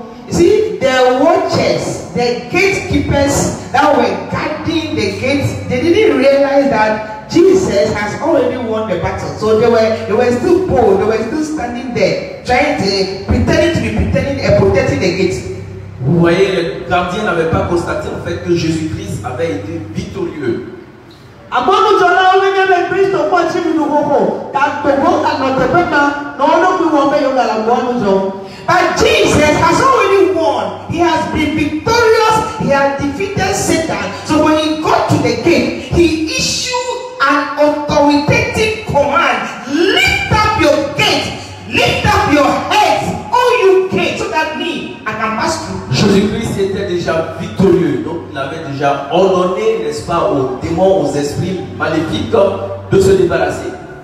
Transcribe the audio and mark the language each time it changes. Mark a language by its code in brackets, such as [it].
[en] See, the watchers, the gatekeepers that were guarding the gates, they didn't realize that Jesus has already won the battle. So they were still bold, they were still standing there, pretending and protecting the gates. [fr] Vous voyez, les gardiens n'avaient pas constaté en fait que Jésus-Christ avait été victorieux. [en] But Jesus has already won. He has been victorious. He has defeated Satan. So when he got to the gate, he issued an authoritative command. Lift up your gate. Lift up your head, all you gates, so that me, I can pass through. [fr] Jésus-Christ était déjà victorieux. Donc il avait déjà ordonné, n'est-ce pas, aux démons, aux esprits maléfiques de se débarrasser.